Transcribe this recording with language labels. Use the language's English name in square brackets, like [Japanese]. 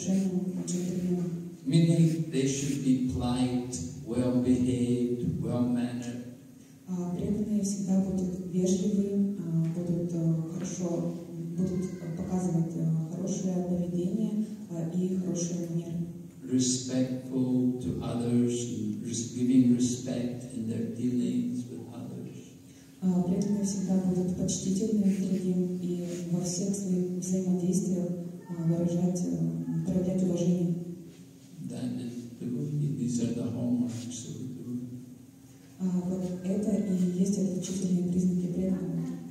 [English] they should be polite, well behaved, well mannered. [Russian] Преданные всегда будут вежливыми, будут хорошо, будут показывать хорошее поведение и хорошие манеры. [English] Respectful to others, giving respect in their dealings with others. [Russian] Преданные всегда будут почтительны к другим и во всех своих взаимодействиях выражать, проявлять уважение. [English] That is the guru. These are the hallmarks of the guru. [Russian] Вот это и есть отличительные признаки преданного.